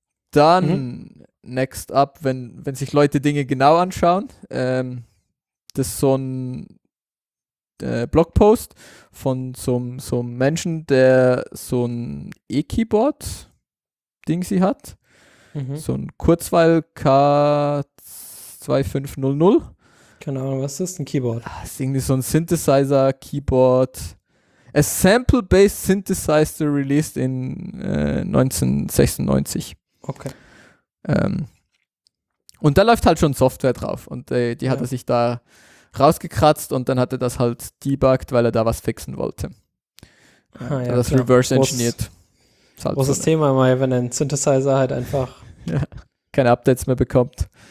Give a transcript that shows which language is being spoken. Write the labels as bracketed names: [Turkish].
[German] Dann, next up, wenn sich Leute Dinge genau anschauen, das ist so ein Blogpost von so einem Menschen, der so ein E-Keyboard Ding sie hat. So ein Kurzweil K2500. Keine Ahnung, was ist ein Keyboard? Ah, ist irgendwie so ein Synthesizer-Keyboard. [English] A Sample-Based Synthesizer released in 1996. Okay. [German] Und da läuft halt schon Software drauf. Und die hat er sich da rausgekratzt und dann hat er das halt debuggt, weil er da was fixen wollte. Ah, ja, das reverse-engineert. Großes Thema mal, wenn ein Synthesizer halt einfach keine Updates mehr bekommt.